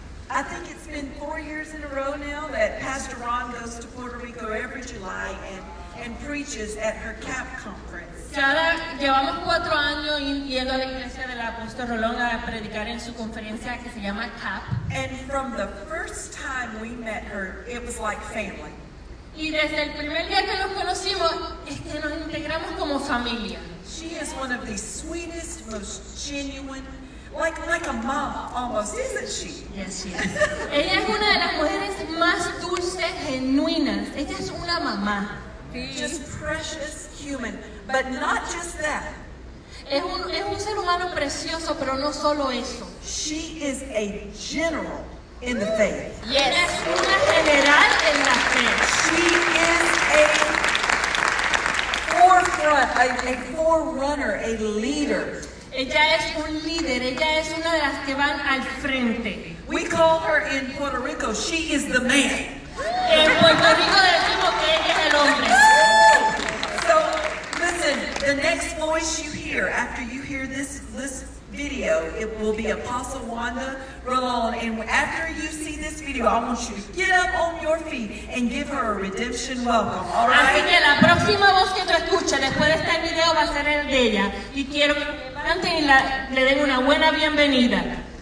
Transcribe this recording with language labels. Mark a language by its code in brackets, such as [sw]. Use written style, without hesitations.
[en] I think it's been 4 years in a row now that Pastor Ron goes to Puerto Rico every July and preaches at her CAP conference. [es] Llevamos 4 años yendo a la iglesia del Apóstol Rolón a predicar en su conferencia que se llama CAP. [en] And from the first time we met her, it was like family. [es] Y desde el primer día que nos conocimos, es que nos integramos como familia. [en] She is one of the sweetest, most genuine, like a mom almost, isn't she? Yes, she is. [es] Ella es una de las mujeres más dulces, genuinas. Ella es una mamá. [en] Just precious human, but not just that. [es] Es un ser humano precioso, pero no solo eso. [en] She is a general in the faith. [es] Yes. Ella es una general en la fe. [en] She is a forefront, a forerunner, a leader. [es] Ella es un líder. Ella es una de las que van al frente. [en] We call her in Puerto Rico, she is the man. [es] En Puerto Rico decimos que ella es el hombre. [en] So, listen, the next voice you hear after you hear this video, it will be Apostle Wanda Rolón. And after you see this video, I want you to get up on your feet and give her a redemption welcome, all right? [es] Así que la próxima voz que tú escuches después de este video va a ser el de ella. Y quiero que levanten y le den una buena bienvenida.